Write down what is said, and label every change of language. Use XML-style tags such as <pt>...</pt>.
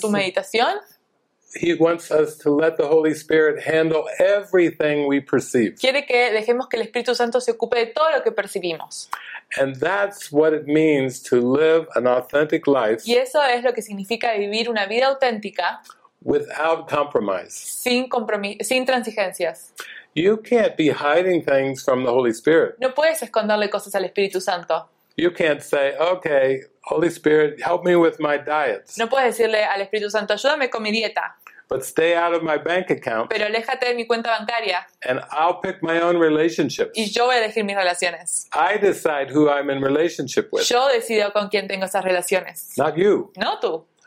<es>Tu meditación.</es> <en>He wants us to let the Holy Spirit handle everything we perceive.</en> <es>Quiere que dejemos que el Espíritu Santo se ocupe de todo lo que percibimos.</es> <en>And that's what it means to live an authentic life.</en> <es>Y eso es lo que significa vivir una vida auténtica.</es> <en>Without compromise.</en> <es>Sin transigencias.</es> <en>You can't be hiding things from the Holy Spirit.</en> <es>No puedes esconderle cosas al Espíritu Santo.</es> <en>You can't say, okay, Holy Spirit, help me with my diet.</en> <es>No puedes decirle al Espíritu Santo, ayúdame con mi dieta.</es> <en>But stay out of my bank account.</en> <es>Pero aléjate de mi cuenta bancaria.</es> <en>And I'll pick my own relationships.</en> <es>Y yo voy a elegir mis relaciones.</es> <en>I decide who I'm in relationship with.</en> <es>Yo decido con quién tengo esas relaciones.</es> <en>Not you.</en> <es>No tú.</es>